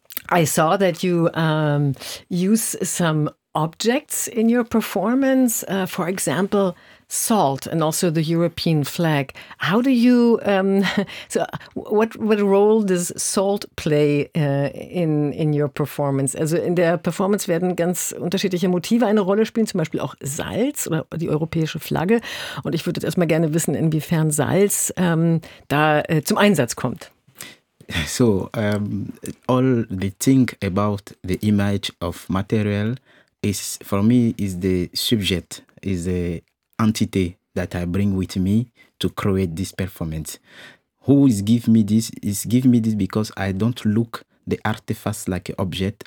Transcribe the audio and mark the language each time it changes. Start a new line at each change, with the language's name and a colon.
English: I saw that you use some objects in your performance, for example, salt and also the European flag. How do you what role does salt play in your performance?
German: Also in der Performance werden ganz unterschiedliche Motive eine Rolle spielen, zum Beispiel auch Salz oder die europäische Flagge. Und ich würde jetzt erstmal gerne wissen, inwiefern Salz zum Einsatz kommt.
English: So all the thing about the image of material is for me is the subject, is the entity that I bring with me to create this performance. Who is give me this? Is give me this because I don't look the artifacts like an object.